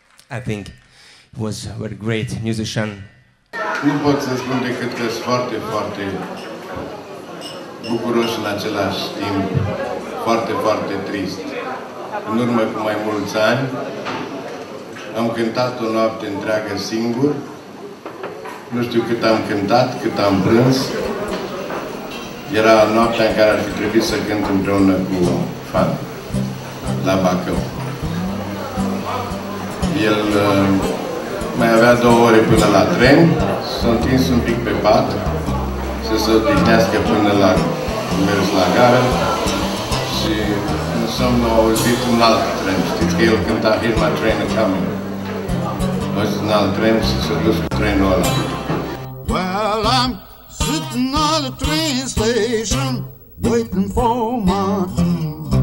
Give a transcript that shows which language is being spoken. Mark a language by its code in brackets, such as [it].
[en] I think he was a very great musician. [ro] Nu pot să spun decât că sunt foarte, foarte bucuros în același timp. Foarte, foarte trist. În urmă cu mai mulți ani, am cântat o noapte întreagă singur. Nu știu cât am cântat, cât am plâns. Era noaptea în care ar fi trebuit să cânt împreună cu fan la Bacău. El mai avea 2 ore până la tren, s-a întins un pic pe pat, să se odihnească până la mers la gară. Și în somn au auzit un alt tren, știți că el cânta Hear My Train A Coming. Au auzit un alt tren și s-a dus cu trenul ăla. [en] Well, I'm sitting on the train station, waiting for my train.